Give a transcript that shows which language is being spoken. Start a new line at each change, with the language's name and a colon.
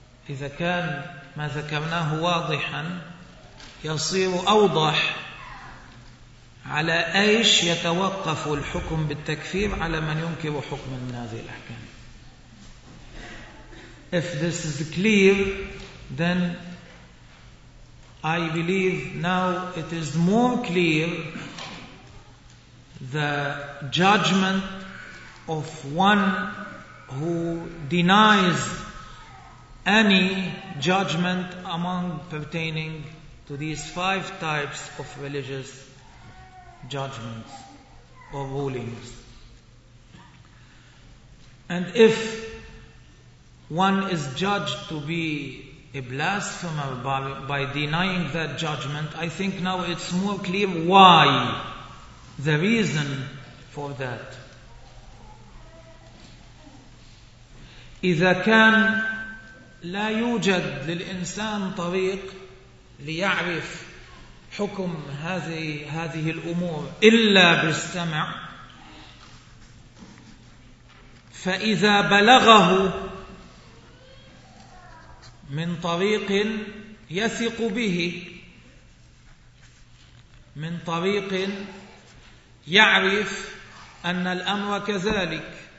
Arabic: إذا كان ما ذكرناه واضحا يصير أوضح على إيش يتوقف الحكم بالتكفير على من ينكر حكما من هذه الأحكام.
English: If this is clear, then I believe now it is more clear the judgment of one who denies any judgment among pertaining to these five types of religious judgments or rulings. And if one is judged to be a blasphemer by denying that judgment, I think now it's more clear why, the reason for that.
Arabic: إذا كان لا يوجد للإنسان طريق ليعرف حكم هذه الأمور إلا بالسمع, فإذا بلغه من طريق يثق به، من طريق يعرف أن الأمر كذلك،